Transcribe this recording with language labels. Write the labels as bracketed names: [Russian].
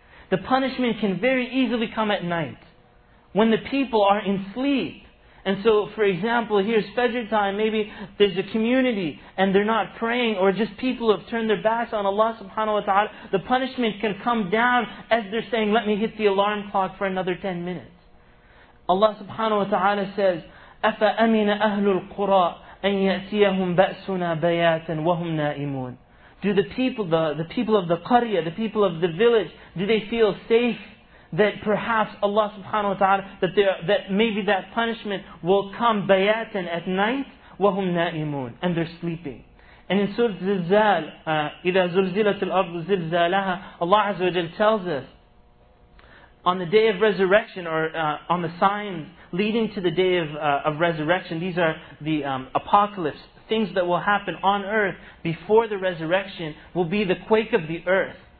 [English] The punishment can very easily come at night, when the people are in sleep. And so, for example, here's Fajr time, maybe there's a community and they're not praying, or just people have turned their backs on Allah subhanahu wa ta'ala. The punishment can come down as they're saying, let me hit the alarm clock for another 10 minutes. Allah subhanahu wa ta'ala says, [Arabic] أَفَأَمِنَ أَهْلُ الْقُرَىٰ أَن يَأْتِيَهُمْ بَأْسُنَا بَيَاتًا وَهُمْ نَائِمُونَ. [English] Do the people of the qariya, the people of the village, do they feel safe that perhaps Allah subhanahu wa ta'ala, that maybe that punishment will come bayatan at night, [Arabic] wahum na'imun, [English] and they're sleeping. And in Surah Zilzal, [Arabic] إِذَا زُلْزِلَةِ الْأَرْضُ زِلْزَالَهَا, [English] Allah Azza wa Jal tells us, on the day of resurrection, or on the signs leading to the day of resurrection, these are the apocalypse, things that will happen on earth before the resurrection, will be the quake of the earth.